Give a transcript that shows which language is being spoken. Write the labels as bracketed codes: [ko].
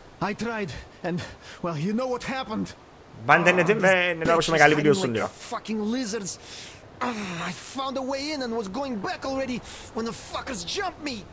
[en] I tried and well, you know what happened. [tr] Ben denedim ve neler başıma geldi biliyorsun diyor. [en] Fucking lizards. I found a way in and was going back already when the fuckers jumped me.